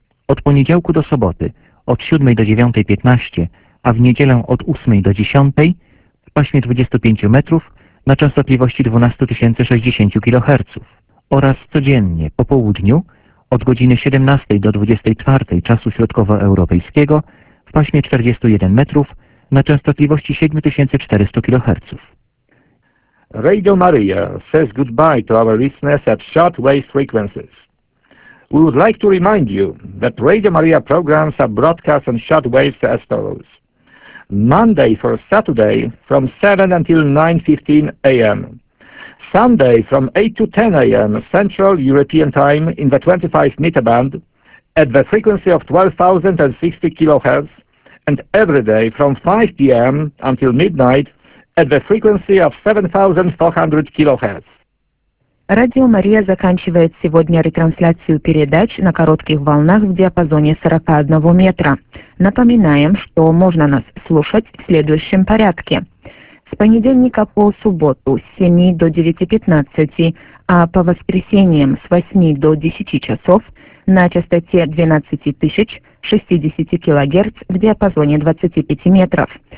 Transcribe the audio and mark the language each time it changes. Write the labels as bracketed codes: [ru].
[pl] Od poniedziałku do soboty od 7 do 9.15, a w niedzielę od 8 do 10 w paśmie 25 metrów na częstotliwości 12 060 kHz. Oraz codziennie po południu od godziny 17 do 24 czasu środkowoeuropejskiego w paśmie 41 metrów na częstotliwości 7400 kHz. [en] Radio Maria says goodbye to our listeners at shortwave frequencies. We would like to remind you that Radio Maria programs are broadcast on shortwaves as follows. Monday for Saturday from 7 until 9:15 a.m. Sunday from 8 to 10 a.m. Central European Time in the 25-meter band at the frequency of 12,060 kHz, and every day from 5 p.m. until midnight at the frequency of 7400 kHz. [ru] Радио Мария заканчивает сегодня ретрансляцию передач на коротких волнах в диапазоне 41 метра. Напоминаем, что можно нас слушать в следующем порядке. С понедельника по субботу с 7 до 9.15, а по воскресеньям с 8 до 10 часов на частоте 12 060 кГц в диапазоне 25 метров.